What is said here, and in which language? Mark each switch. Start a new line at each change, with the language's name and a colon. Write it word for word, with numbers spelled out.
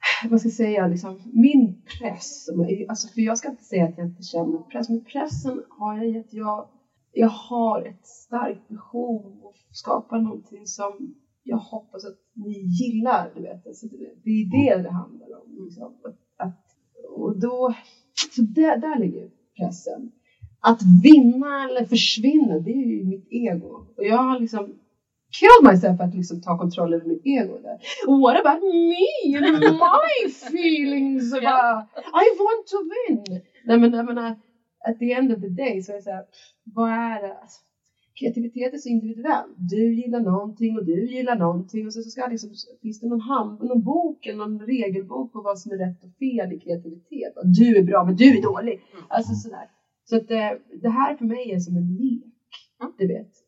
Swedish: Vad ska jag säga, liksom, min press, alltså, för jag ska inte säga att jag inte känner press, men pressen har jag gett, jag, jag har ett starkt behov att skapa någonting som jag hoppas att ni gillar, du vet, alltså, det är det det handlar om, liksom. Att, och då, så där, där ligger pressen, att vinna eller försvinna, det är ju mitt ego, och jag har liksom
English: killed myself
Swedish: att liksom ta kontroll över mitt ego där.
English: What about me and my feelings? About, I want to win.
Swedish: Nej men jag menar,
English: at the end of the day
Swedish: så är det så här, vad är det? Alltså, kreativitet är så individuell. Du gillar någonting och du gillar någonting. Och så, så ska liksom, finns det någon, hand, någon bok eller någon regelbok på vad som är rätt och fel i kreativitet. Du är bra men du är dålig. Alltså sådär. Så att det, det här för mig är som en lek. Du vet.